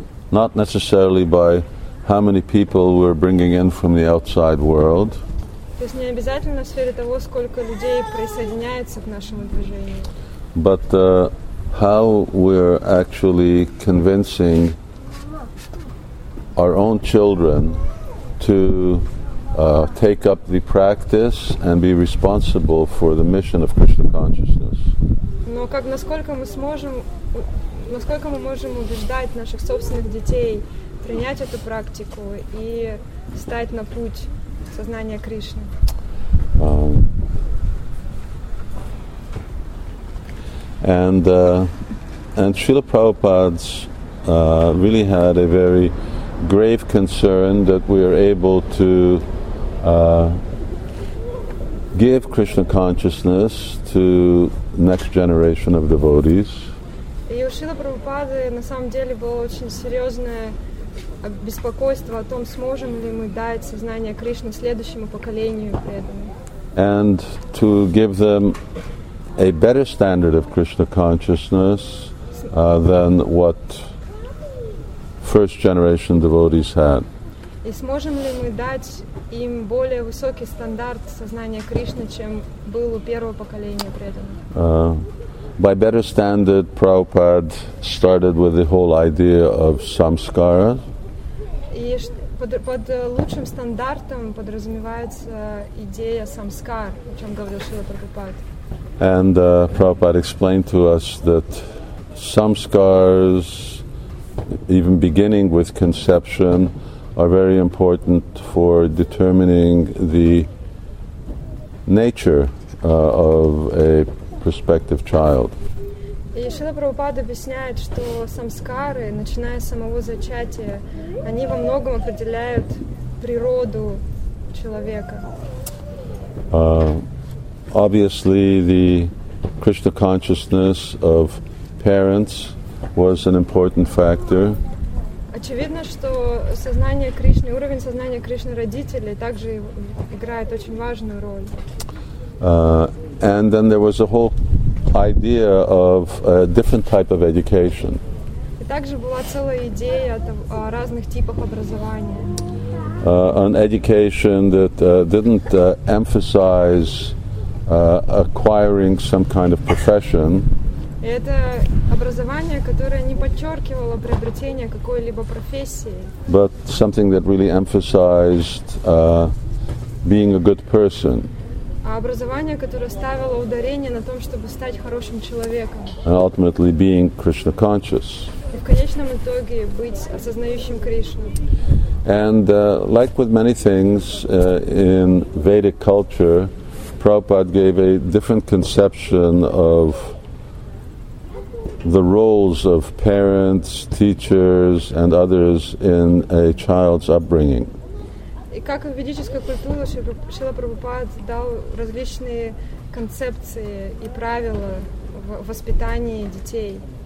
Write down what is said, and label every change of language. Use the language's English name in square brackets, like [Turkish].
[English] Not necessarily by how many people we're bringing in from the outside world. [Russian] То есть не обязательно в сфере того, сколько людей присоединяется к нашему движению. [English] But how we're actually convincing our own children to take up the practice and be responsible for the mission of Krishna consciousness. [Russian] Но как, насколько мы можем убеждать наших собственных детей принять эту практику и встать на путь сознания Кришны? [English] And Srila Prabhupada's really had a very grave concern that we are able to give Krishna consciousness to next generation of devotees. [Russian] И у Шрила Прабхупады на самом деле было очень серьезное беспокойство о том, сможем ли мы дать сознание Кришны следующему поколению преданных. [English] And to give them a better standard of Krishna consciousness than what first generation devotees had. [Russian] И сможем ли мы дать им более высокий стандарт сознания Кришны, чем был у первого поколения преданных? [English] By better standard, Prabhupada started with the whole idea of samskara. [Russian] И под лучшим стандартом подразумевается идея самскар, о чем говорил Шрила Прабхупада. [English] And Prabhupada explained to us that samskars, even beginning with conception, are very important for determining the nature of a prospective child. [Russian] И Шрила Прабхупада объясняет, что самскары, начиная с самого зачатия, они во многом определяют природу человека. [English] Obviously, the Krishna consciousness of parents was an important factor. [Russian] Очевидно, что сознание Кришны, уровень сознания Кришны родителей также играет очень важную роль. [English] And then there was a whole idea of a different type of education. [Russian] И также была целая идея о разных типах образования. [English] An education that didn't emphasize acquiring some kind of profession. [Russian] Это образование, которое не подчеркивало приобретение какой-либо профессии. [English] But something that really emphasized being a good person. [Russian] А образование, которое ставило ударение на том, чтобы стать хорошим человеком. [English] And ultimately being Krishna conscious. [Russian] И в конечном итоге быть осознающим Кришну. [English] And like with many things in Vedic culture, Prabhupada gave a different conception of the roles of parents, teachers, and others in a child's upbringing. [Russian] И как в ведической культуре Шрила Прабхупада дал различные концепции и правила в воспитании детей.